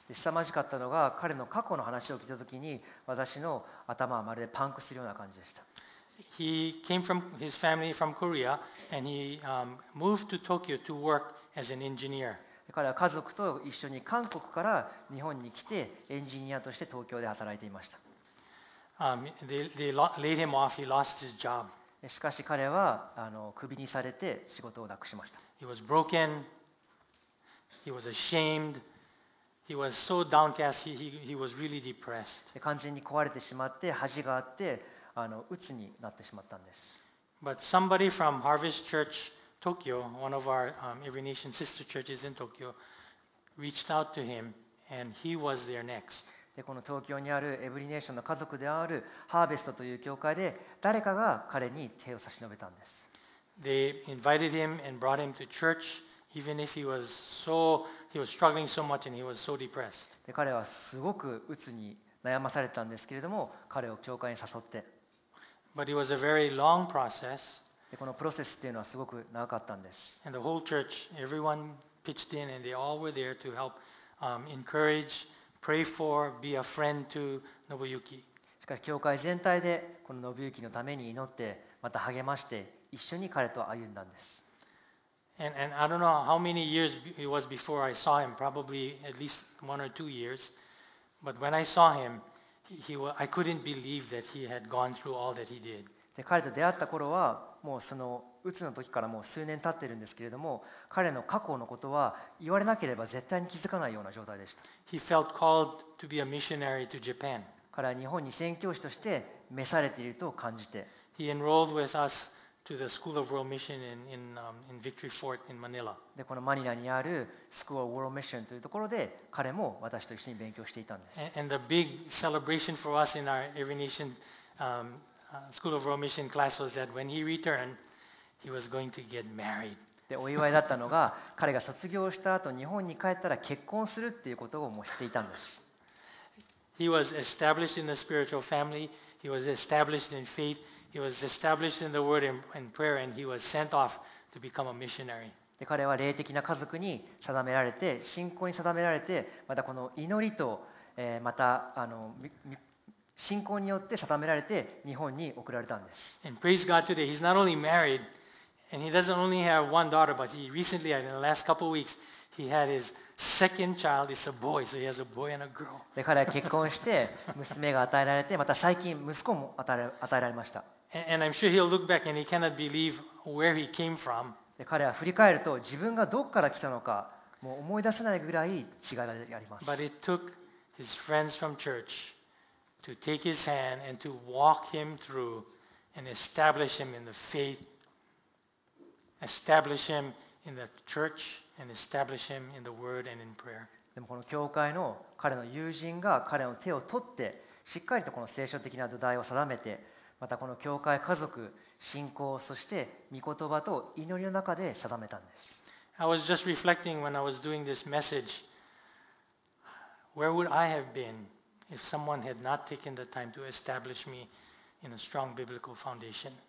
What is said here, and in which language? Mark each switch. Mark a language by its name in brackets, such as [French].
[Japanese] 凄まじかったのが彼の過去の話を聞いたときに私の頭はまるでパンクするような感じでした。 [English] He came from his family from Korea and he moved to Tokyo to work as an engineer. [Japanese] 彼は家族と一緒に韓国から日本に来てエンジニアとして東京で働いていました。 [English] They laid him off. He lost his job. [Japanese] しかし彼はクビにされて仕事をなくしました。 [English] He was broken. He was ashamed. He was so downcast. He was really depressed. [Japanese] 完全に壊れてしまって恥があって鬱になってしまったんです。 [English] But somebody from Harvest Church Tokyo, one of our Every Nation sister churches in Tokyo, reached out to him, and he was there next. [Japanese] でこの東京にあるエブリネーションの家族であるハーベストという教会で誰かが彼に手を差し伸べたんです。 [English] They invited him and brought him to church, even if he was struggling so much and he was so depressed. [Japanese] で彼はすごく鬱に悩まされたんですけれども、彼を教会に誘って。 [English] But it was a very long process. [Japanese] でこのプロセスっていうのはすごく長かったんです。 [English] And the whole church, everyone pitched in and they all were there to help, encourage, pray for, be a friend to Nobuyuki. [Japanese] しかし教会全体でこの Nobuyuki のために祈って、また励まして、一緒に彼と歩んだんです。 [English] And I don't know how many years it was before I saw him, probably at least one or two years. But when I saw him, I couldn't believe that he had gone through all that he did. [Japanese] で彼と出会った頃は、もうその鬱の時からもう数年経ってるんですけれども、彼の過去のことは言われなければ絶対に気づかないような状態でした。 [English] He felt called to be a missionary to Japan. [Japanese] 彼は日本に宣教師として召されていると感じて。 [English] He enrolled with us. To the School of World Mission in Victory Fort in Manila. [Japanese] でこのマニラにある School of World Mission というところで彼も私と一緒に勉強していたんです。 [English] And the big celebration for us in our Every Nation School of World Mission class was that when he returned, he was going to get married. [Japanese] でお祝いだったのが彼が卒業した後日本に帰ったら結婚するっていうことをもう知っていたんです。 [English] He was established in a spiritual family. He was established in faith. He was established in the word and prayer, and he was sent off to become a missionary. [Japanese] で彼は霊的な家族に定められて、信仰に定められて、またこの祈りと、また信仰によって定められて日本に送られたんです。 [English] And praise God today, he's not only married, and he doesn't only have one daughter, but he recently, in the last couple of weeks, he had his second child. It's a boy, so he has a boy and a girl. [Japanese] で彼は結婚して娘が与えられて、また最近息子も与えられました。 [English] And I'm sure he'll look back and he cannot believe where he came from. [Japanese] で彼は振り返ると自分がどこから来たのかもう思い出せないぐらい違いがあります。 [English] But it took his friends from church to take his hand and to walk him through and establish him in the faith, establish him in the church, and establish him in the word and in prayer. [Japanese] でもこの教会の彼の友人が彼の手を取ってしっかりとこの聖書的な土台を定めて。またこの教会家族信仰そして御言葉と祈りの中で定めたんです。 [English] I was just reflecting when I was doing this message. Where would I have been if someone had not taken the time to establish me in a strong biblical foundation?